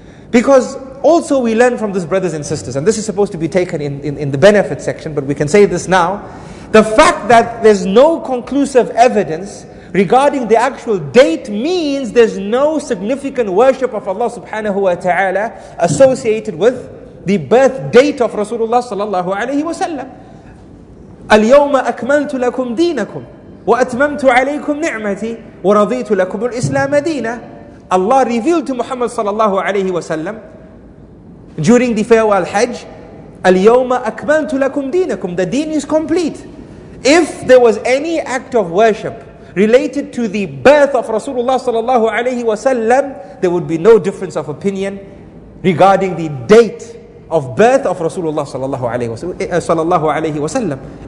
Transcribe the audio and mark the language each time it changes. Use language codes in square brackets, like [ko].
[en] Because also we learn from this, brothers and sisters, and this is supposed to be taken in the benefit section, but we can say this now. The fact that there's no conclusive evidence regarding the actual date means there's no significant worship of Allah subhanahu wa ta'ala associated with the birth date of Rasulullah sallallahu alayhi wa sallam. [ar] اليوم أكملت لكم دينكم وأتممت عليكم نعمتي ورضيت لكم الإسلام دينا. [en] Allah revealed to Muhammad sallallahu alayhi wa sallam during the farewell hajj, [ar] اليوم أكملت لكم دينكم. [en] The deen is complete. If there was any act of worship related to the birth of Rasulullah sallallahu alayhi wa sallam, there would be no difference of opinion regarding the date of birth of Rasulullah sallallahu alayhi wa sallam.